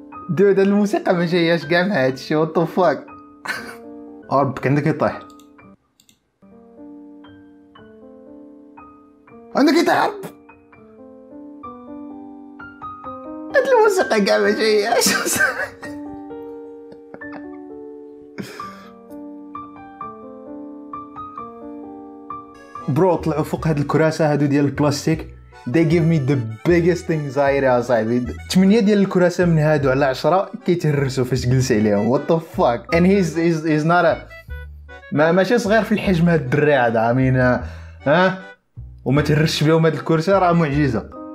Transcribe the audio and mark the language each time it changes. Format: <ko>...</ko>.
<ar>دود الموسيقى ما جاياش كاع مع هادشي</ar> <en>what the fuck.</en> <ar>أرب عندك يطيح عندك يطيح أرب هاد الموسيقى كاع ما جاياش. برو طلعوا فوق هاد الكراسة هادو ديال البلاستيك.</ar> <en>They give me the biggest anxiety</en> <ar>أصاحبي. 8 ديال الكراسة من هادو على 10 كيتهرسوا فاش جلس عليهم.</ar> <en>What the fuck. And he's not a</en> <ar>ماشي صغير في الحجم هاد الدري هذا.</ar> <en>I mean</en> <ar>ها وما تهرسش بهم هاد الكرسي راه معجزة.</ar>